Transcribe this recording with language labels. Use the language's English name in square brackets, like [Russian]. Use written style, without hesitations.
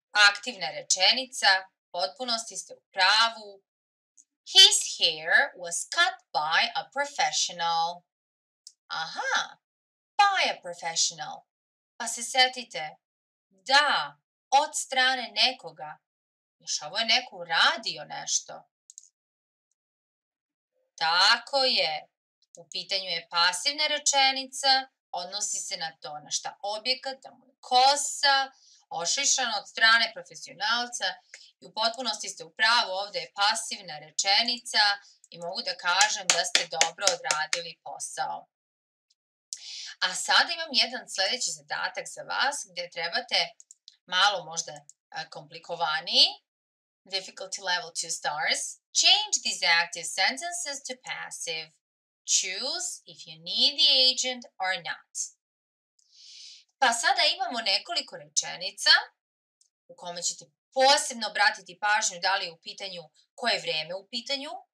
[Serbian] Aktivna rečenica, potpunosti ste u pravu. [English] His hair was cut by a professional. Aha, by a professional. [Serbian] Pa se setite, da, od strane nekoga. Još ovo je neko uradio nešto. Tako je. U pitanju je pasivna rečenica, odnosi se na to na šta objekat, da mu je kosa, ošišana od strane profesionalca. I u potpunosti ste u pravu, ovde je pasivna rečenica i mogu da kažem da ste dobro odradili posao. A sada imam jedan sledeći zadatak za vas gde trebate malo možda komplikovaniji. [English] Difficulty level 2 stars. Change these active sentences to passive. Choose if you need the agent or not. [Serbian] Pa sada imamo nekoliko rečenica u kome ćete posebno obratiti pažnju da li je u pitanju koje je vreme u pitanju.